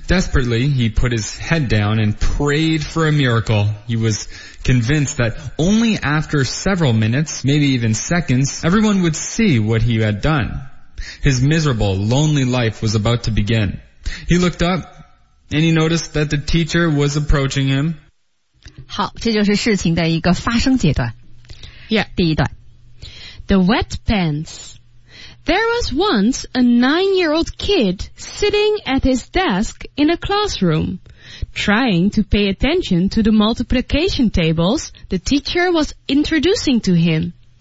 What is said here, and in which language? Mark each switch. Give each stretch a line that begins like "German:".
English: Desperately, he put his head down and prayed for a miracle. He was convinced that only after several minutes, maybe even seconds, everyone would see what he had done. His miserable, lonely life was about to begin. He looked up, and he noticed that the teacher was approaching him.
Chinese: 好，这就是事情的一个发生阶段。
English: Yeah.
Chinese: 第一段。
English: The wet pants. There was once a 9-year-old kid sitting at his desk in a classroom, trying to pay attention to the multiplication tables the teacher was introducing to him.